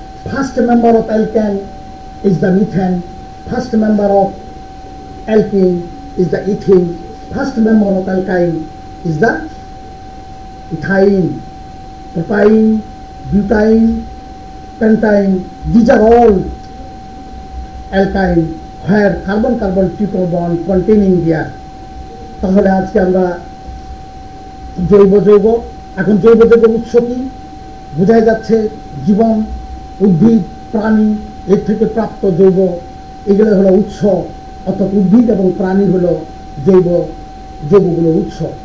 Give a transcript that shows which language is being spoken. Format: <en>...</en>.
<en>First member of alkane is the methane, first member of alkene is the ethene, first member of alkyne is the ethyne, propyne, butyne, pentine, these are all alkyne where carbon-carbon triple bond containing there.</en> <bn>তাহলে আজকে আমরা জৈব যৌগ, এখন জৈব যৌগের উৎস কি বোঝা যাচ্ছে, জীবন উদ্ভিদ প্রাণী এর থেকে প্রাপ্ত যৌগ, এগুলো হলো উৎস। অর্থাৎ উদ্ভিদ এবং প্রাণী হলো জৈব যৌগগুলো উৎস।</bn>